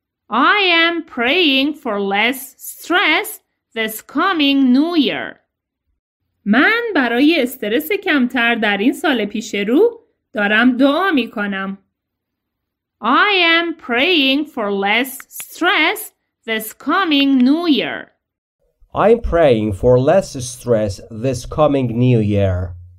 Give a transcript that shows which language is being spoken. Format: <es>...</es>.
<en>I am praying for less stress this coming new year.</en> <fa>من برای استرس کمتر در این سال پیش رو دارم دعا می کنم.</fa> <en>I am praying for less stress this coming new year. I'm praying for less stress this coming new year.</en>